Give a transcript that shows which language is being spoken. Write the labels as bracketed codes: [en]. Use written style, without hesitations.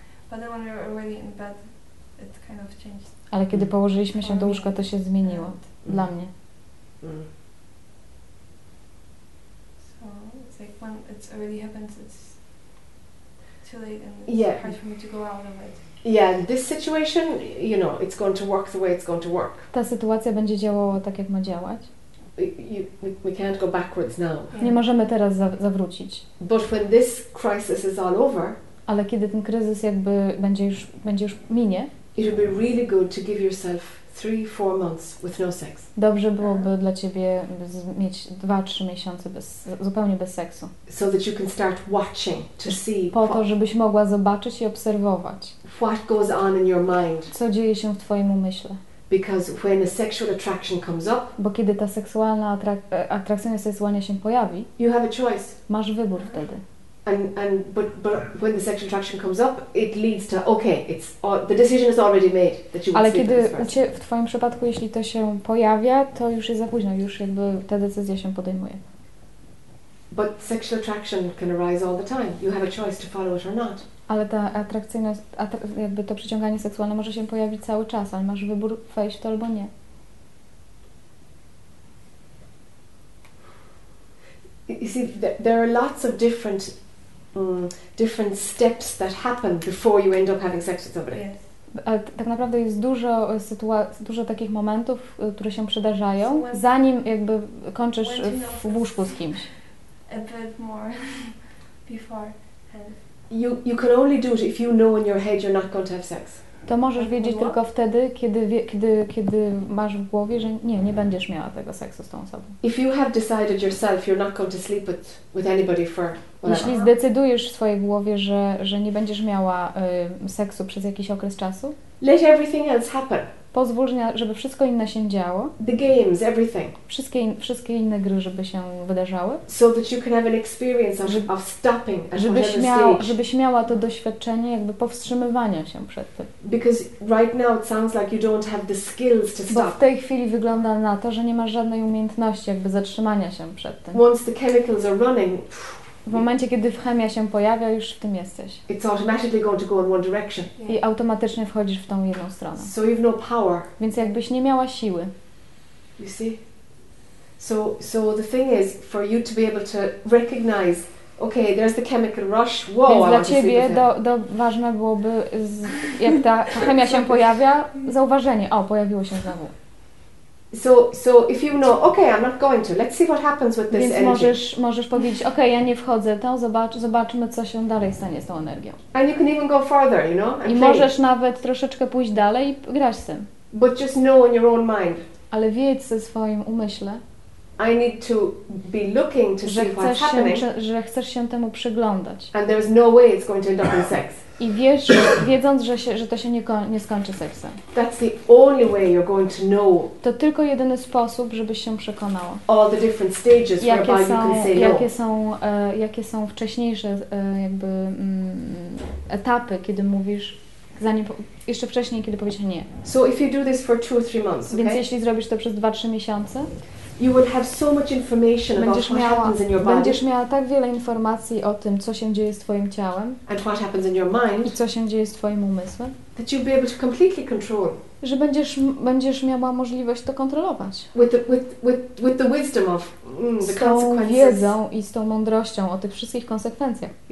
[en] But then when we were already in bed, it kind of changed. [pl] Ale kiedy położyliśmy się do łóżka, to się zmieniło dla mnie. [en] So it's like when it's already happened, it's too late and it's hard for me to go out of it. Yeah, this situation, you know, it's going to work the way it's going to work. [pl] Ta sytuacja będzie działała tak, jak ma działać. [en] We can't go backwards now. [pl] Nie możemy teraz zawrócić. [en] But when this crisis is all over, [pl] ale kiedy ten kryzys jakby będzie już minie, [en] it would be really good to give yourself 3-4 months with no sex. [pl] Dobrze byłoby dla ciebie mieć 2-3 miesiące zupełnie bez seksu. [en] So that you can start watching to see. [pl] Po to, żebyś mogła zobaczyć i obserwować. [en] What goes on in your mind? [pl] Co dzieje się w twoim umyśle? [en] Because when a sexual attraction comes up, [pl] bo kiedy ta seksualna atrakcja seksualna się pojawi, [en] you have a choice. [pl] Masz wybór wtedy. [en] And but when the sexual attraction comes up, it leads to okay, it's the decision is already made that you. [pl] Ale kiedy w twoim przypadku, jeśli to się pojawia, to już jest za późno, już jakby ta decyzja się podejmuje. [en] But sexual attraction can arise all the time. You have a choice to follow it or not. [pl] Ale ta atrakcyjność, jakby to przyciąganie seksualne może się pojawić cały czas, ale masz wybór wejść w to albo nie. [en] You see, there are lots of different steps that happen before you end up having sex with somebody. Yes. [pl] Tak naprawdę jest dużo takich momentów, które się przydarzają, zanim jakby kończysz w łóżku z kimś. [en] A bit more before. You can only do it if you know in your head you're not going to have sex. [pl] To możesz wiedzieć tylko wtedy, kiedy masz w głowie, że nie będziesz miała tego seksu z tą osobą. [en] If you have decided yourself you're not going to sleep with anybody for whatever. [pl] Jeśli zdecydujesz w swojej głowie, że nie będziesz miała seksu przez jakiś okres czasu, [en] let everything else happen. [pl] pozwól, żeby wszystko inne się działo. [en] The games, everything. [pl] Wszystkie inne gry, żeby się wydarzały. [en] So that you can have an experience of stopping at whatever stage. [pl] Żebyś miała to doświadczenie jakby powstrzymywania się przed tym. [en] Because right now it sounds like you don't have the skills to stop. [pl] Bo w tej chwili wygląda na to, że nie masz żadnej umiejętności jakby zatrzymania się przed tym. [en] Once the chemicals are running, [pl] w momencie, kiedy w chemia się pojawia, już w tym jesteś. [en] It's automatically going to go in one direction. [pl] I automatycznie wchodzisz w tą jedną stronę. [en] So you've no power. [pl] Więc jakbyś nie miała siły. [en] You see? So the thing is, for you to be able to recognize, okay, there's the chemical rush, whoa, [pl] więc dla ciebie do ważne byłoby, jak ta chemia się pojawia, zauważenie, o, pojawiło się znowu. [en] So if you know, okay, I'm not going to. Let's see what happens with this energy. [pl] Więc możesz powiedzieć, okay, ja nie wchodzę, to zobaczmy, co się dalej stanie z tą energią. [en] And you can even go further, you know. [pl] I możesz nawet troszeczkę pójść dalej i grać z tym. [en] But just know in your own mind. [pl] Ale wiedz ze swoim umyśle. [en] I need to be looking to see what's happening. [pl] Że chcesz się temu przyglądać. [en] And there's no way it's going to end up in sex. [pl] I wiedząc, że to się nie skończy seksem. [en] That's the only way you're going to know. [pl] To tylko jedyny sposób, żebyś się przekonała. [en] All the different stages [pl] jakie [en] whereby [pl] są, [en] you can say [pl] jakie [en] no. [pl] Są, jakie są wcześniejsze jakby etapy, kiedy mówisz, jeszcze wcześniej, kiedy powiesz nie. [en] So if you do this for 2-3 months, okay? [pl] Więc jeśli zrobisz to przez 2-3 miesiące, [en] you will have so much information about what happens in your body. [pl] Będziesz miała tak wiele informacji o tym, co się dzieje z twoim ciałem. [en] And what happens in your mind. [pl] I co się dzieje z twoim umysłem. [en] That you'll be able to completely control. [pl] Że będziesz miała możliwość to kontrolować. [en] With the wisdom of the consequences. [pl] Z tą wiedzą i z tą mądrością o tych wszystkich konsekwencjach.